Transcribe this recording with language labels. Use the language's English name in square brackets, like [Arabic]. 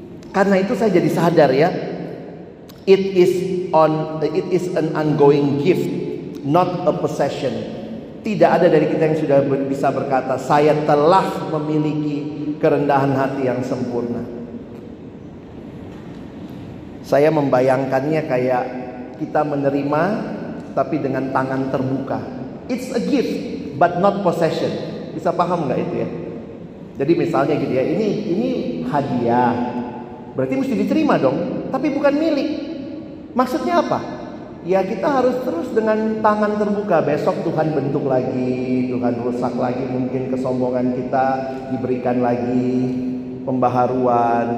[Indonesian] Karena itu saya jadi sadar ya, [English] it is an ongoing gift, not a possession. [Indonesian] Tidak ada dari kita yang sudah bisa berkata saya telah memiliki kerendahan hati yang sempurna. Saya membayangkannya kayak kita menerima tapi dengan tangan terbuka. [English] It's a gift but not possession. [Indonesian] Bisa paham gak itu ya? Jadi misalnya gitu ya, ini hadiah, berarti mesti diterima dong, tapi bukan milik. Maksudnya apa? Ya kita harus terus dengan tangan terbuka. Besok Tuhan bentuk lagi, Tuhan rusak lagi, mungkin kesombongan kita diberikan lagi pembaharuan.